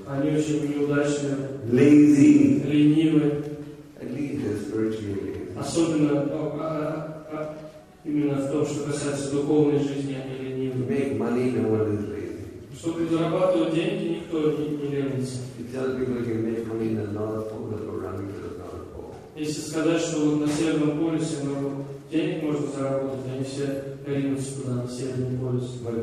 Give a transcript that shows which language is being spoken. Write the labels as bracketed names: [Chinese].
[Russian] Они очень неудачные. [English] Lazy. [Russian] Ленивы. [English] At least they're spiritually lazy. [Russian] Особенно именно в том, что касается духовной жизни, они ленивы. [English] Make money, no one is lazy. [Russian] Чтобы зарабатывать деньги, никто не ленится. [English] You tell people you make money in the North Pole, but running to the North Pole. [Russian] Если сказать, что на Северном полюсе денег можно заработать, они все ринутся туда, на Северный полюс.